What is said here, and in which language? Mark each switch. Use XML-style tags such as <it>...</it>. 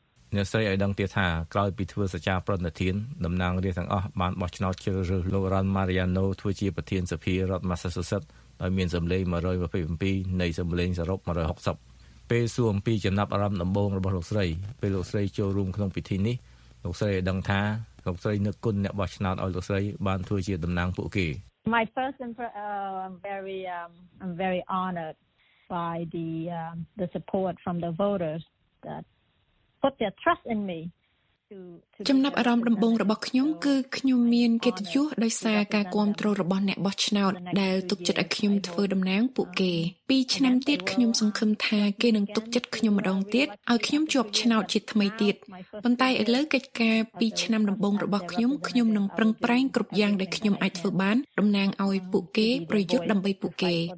<km>អ្នកស្រីឲ្យដឹងទៀតថាក្រោយពីធ្វើសកម្មភាពប្រធានតំណាងរាស្ត្រទាំងអស់បានបោះឆ្នោតជ្រើសរើសលោករ៉ាន់ម៉ារីយ៉ាណូធ្វើជាប្រធានសភារដ្ឋ Massachusetts ដោយមានសម្លេង127នៃសម្លេងសរុប160ពេលសួរអំពីចំណាប់អារម្មណ៍ដំបូងរបស់លោកស្រីពេលលោកស្រីចូលរួមក្នុងពិធីនេះលោកស្រីបានដឹងថាលោកស្រីនឹកគុណអ្នកបោះឆ្នោតឲ្យលោកស្រីបានធ្វើជាតំណាងពួកគេ</km> <en>My first I'm very honored by the support from the voters that put their trust in me</en> <km>ចំណាប់អារម្មណ៍ដំបូងរបស់ខ្ញុំគឺខ្ញុំមានកិត្តិយសដោយសារការគាំទ្ររបស់អ្នកបោះឆ្នោតដែលទុកចិត្តឲ្យខ្ញុំធ្វើតំណាងពួកគេ2ឆ្នាំទៀតខ្ញុំសង្ឃឹមថាគេនឹងទុកចិត្តខ្ញុំម្ដងទៀតឲ្យខ្ញុំជាប់ឆ្នោតជាថ្មីទៀតប៉ុន្តែឥឡូវកិច្ចការ2ឆ្នាំដំបូងរបស់ខ្ញុំខ្ញុំនឹងប្រឹងប្រែងគ្រប់យ៉ាងដែលខ្ញុំអាចធ្វើបានតំណាងឲ្យពួកគេប្រយុទ្ធដើម្បីពួកគេ</km>